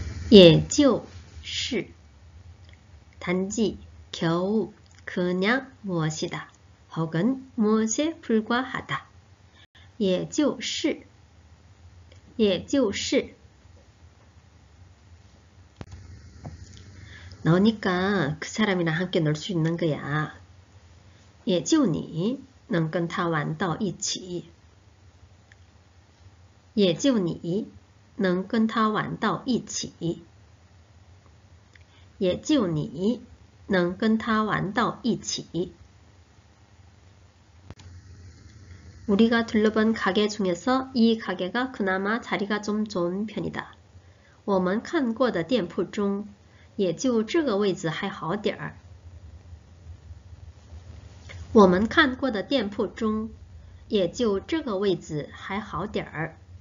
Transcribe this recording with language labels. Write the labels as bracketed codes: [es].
[ko] 예就是 단지 겨우 그냥 무엇이다 혹은 무엇에 불과하다. 也就是 너니까 그 사람이랑 함께 놀수 있는 거야. [zh] 也就你 能跟他玩到一起。也就你 能跟他玩到一起。也就你 能跟他玩到一起。 [ko] 우리가 둘러본 가게 중에서 이 가게가 그나마 자리가 좀 좋은 편이다. [zh] 我们看过的店铺中。也就这个位置还好点儿。我们看过的店铺中，也就这个位置还好点儿。